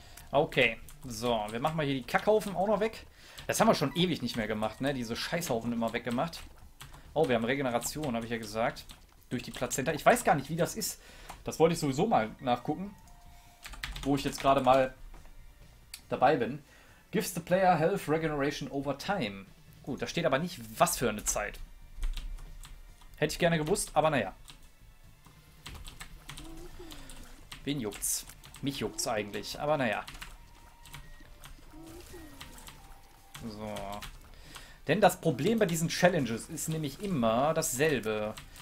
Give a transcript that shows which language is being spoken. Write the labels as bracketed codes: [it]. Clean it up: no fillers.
[de] Okay, so, wir machen mal hier die Kackhaufen auch noch weg. Das haben wir schon ewig nicht mehr gemacht, ne? Diese Scheißhaufen immer weggemacht. Oh, wir haben Regeneration, habe ich ja gesagt. Durch die Plazenta. Ich weiß gar nicht, wie das ist. Das wollte ich sowieso mal nachgucken. Wo ich jetzt gerade mal dabei bin. [en] Gives the player health regeneration over time. [de] Gut, da steht aber nicht, was für eine Zeit. Hätte ich gerne gewusst, aber naja. Wen juckt's? Mich juckt's eigentlich, aber naja. So. Denn das Problem bei diesen Challenges ist nämlich immer dasselbe.